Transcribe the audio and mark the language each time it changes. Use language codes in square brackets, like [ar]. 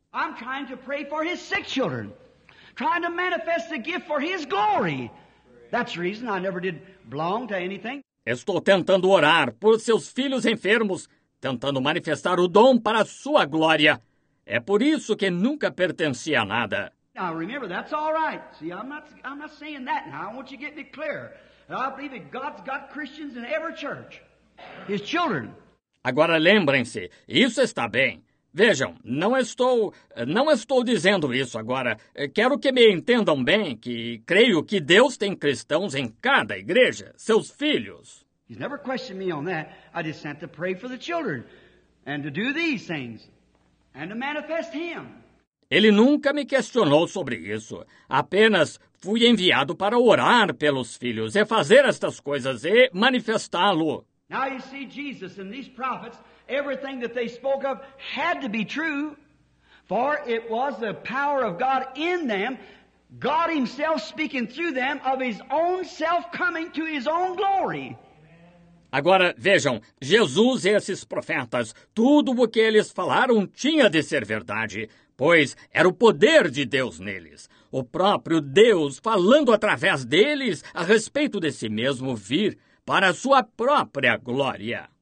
[en] I'm trying to pray for his sick children. Trying to manifest the gift for his glory. That's the reason I never did belong to anything. [pt] Estou tentando orar por seus filhos enfermos, tentando manifestar o dom para a sua glória. É por isso que nunca pertenci a nada. [en] Now remember, that's all right. See, I'm not saying that now. I want you to get me clear. And I believe that God's got Christians in every church. His children. [pt] Agora lembrem-se, isso está bem. Vejam, não estou dizendo isso agora. Quero que me entendam bem que creio que Deus tem cristãos em cada igreja, seus filhos. [en] He's never questioned me on that. I just sent to pray for the children and to do these things and to manifest him. [pt] Ele nunca me questionou sobre isso. Apenas fui enviado para orar pelos filhos e fazer estas coisas e manifestá-lo. [en] Now you see Jesus and these prophets. Everything that they spoke of had to be true, for it was the power of God in them, God himself speaking through them of his own self coming to his own glory. [pt] Agora vejam, Jesus e esses profetas, tudo o que eles falaram tinha de ser verdade, pois era o poder de Deus neles. O próprio Deus falando através deles a respeito de si mesmo vir para a sua própria glória.